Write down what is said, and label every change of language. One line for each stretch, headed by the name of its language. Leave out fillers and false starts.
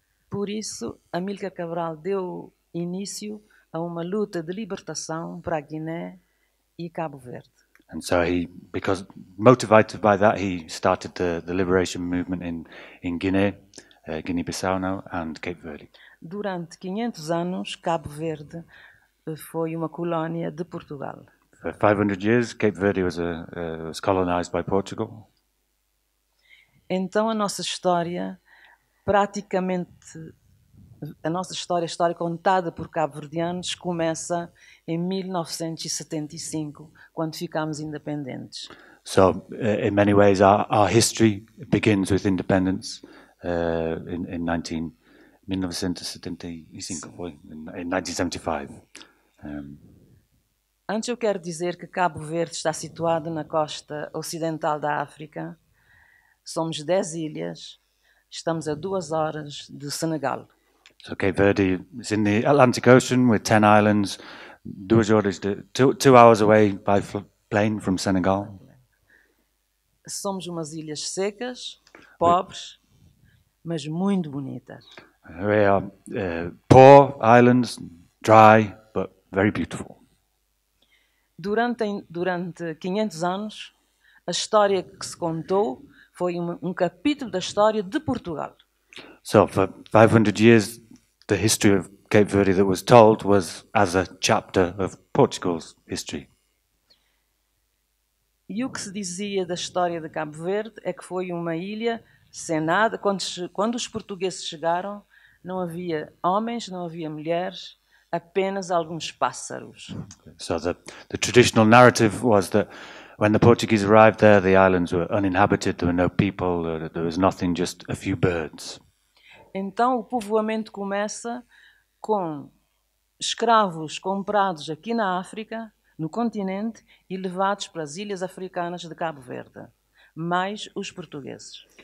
Portuguese: Por isso, Amílcar Cabral deu início a uma luta de libertação para a Guiné.
English: And so he, because motivated by that, he started the liberation movement in Guinea, Guinea-Bissau now, and Cape Verde.
Portuguese: Durante 500 anos, Cabo Verde foi uma colónia de Portugal.
English: For 500 years, Cape Verde was colonized by Portugal.
Portuguese: Então a nossa história, praticamente, a nossa história, a história contada por cabo-verdianos, começa em 1975, quando ficámos independentes.
English: So, in many ways, our history begins with independence in 1975.
Portuguese: Antes eu quero dizer que Cabo Verde está situado na costa ocidental da África. Somos 10 ilhas. Estamos a 2 horas do Senegal.
English: Okay, Verde is in the Atlantic Ocean with 10 islands,
Portuguese: 2 horas de
English: 2 hours away by plane from Senegal.
Portuguese: Somos umas ilhas secas, pobres, mas muito bonitas.
English: We are poor islands, dry, but very beautiful.
Portuguese: Durante 500 anos, a história que se contou foi um capítulo da história de Portugal.
English: So, for 500 years, the history of Cape Verde that was told was as a chapter of Portugal's history.
Portuguese: E o que se dizia da história de Cabo Verde é que foi uma ilha sem nada. Quando os portugueses chegaram, não havia homens, não havia mulheres, apenas alguns pássaros. So the traditional narrative was that when the Portuguese arrived there, the islands were uninhabited, there were no people, there was nothing, just a few birds. Então o povoamento começa com escravos comprados aqui na África, no continente, e levados para as ilhas africanas de Cabo Verde, mais os portugueses.